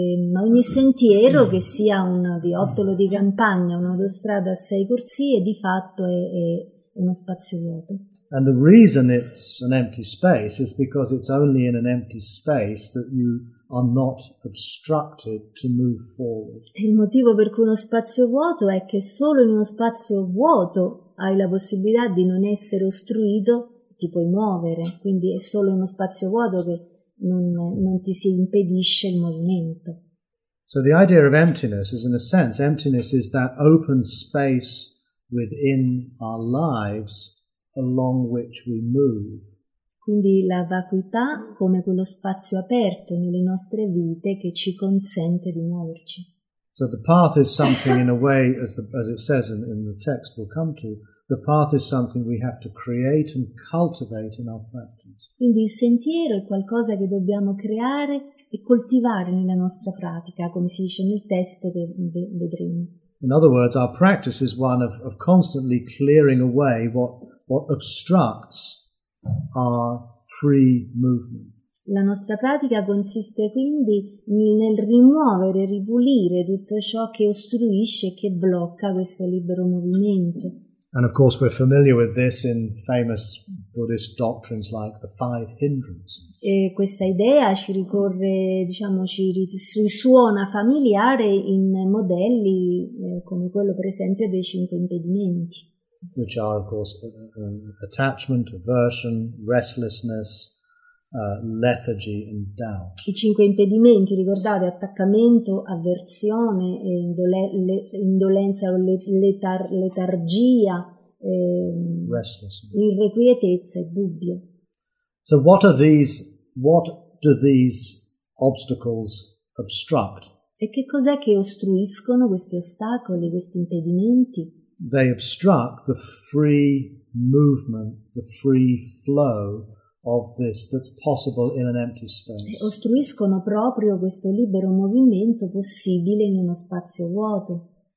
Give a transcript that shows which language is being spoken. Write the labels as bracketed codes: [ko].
[it] Ma ogni sentiero, che sia un viottolo di campagna, un'autostrada a sei corsie, di fatto è uno spazio vuoto. [en] And the reason it's an empty space is because it's only in an empty space that you are not obstructed to move forward. [it] Il motivo per cui uno spazio vuoto è che solo in uno spazio vuoto hai la possibilità di non essere ostruito, ti puoi muovere, quindi è solo uno spazio vuoto che non ti si impedisce il movimento. [en] So the idea of emptiness is, in a sense, emptiness is that open space within our lives along which we move. [it] Quindi la vacuità come quello spazio aperto nelle nostre vite che ci consente di muoverci. [en] So the path is something, in a way, as it says in the text we'll come to, the path is something we have to create and cultivate in our practice. [it] Quindi il sentiero è qualcosa che dobbiamo creare e coltivare nella nostra pratica, come si dice nel testo che vedremo. [en] In other words, our practice is one of constantly clearing away what obstructs our free movement. [it] La nostra pratica consiste quindi nel rimuovere, ripulire tutto ciò che ostruisce, che blocca questo libero movimento. [en] And of course we're familiar with this in famous Buddhist doctrines like the five hindrances. [it] E questa idea ci ricorre, diciamo, ci risuona familiare in modelli come quello, per esempio, dei cinque impedimenti. [en] Which are, of course, attachment, aversion, restlessness, lethargy and doubt. [it] I cinque impedimenti, ricordate, attaccamento, avversione, indolenza o letargia, [en] restlessness, [it] irrequietezza e dubbio. [en] So what are these, what do these obstacles obstruct? [it] E che cos'è che ostruiscono questi ostacoli, questi impedimenti? [en] They obstruct the free movement, the free flow of this that's possible in an empty space. [it] Ostruiscono proprio questo libero movimento possibile in uno spazio vuoto.